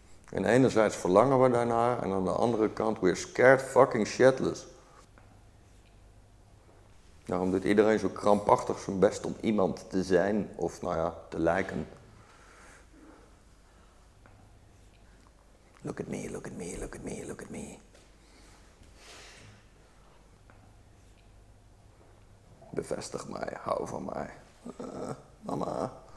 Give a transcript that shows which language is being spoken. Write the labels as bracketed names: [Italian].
[Dutch] En enerzijds verlangen we daarnaar, en aan de andere kant, [English] we're scared fucking shitless. [Dutch] Daarom doet iedereen zo krampachtig zijn best om iemand te zijn, of nou ja, te lijken. [English] Look at me, look at me, look at me, look at me. [Dutch] Bevestig mij, hou van mij. Mama.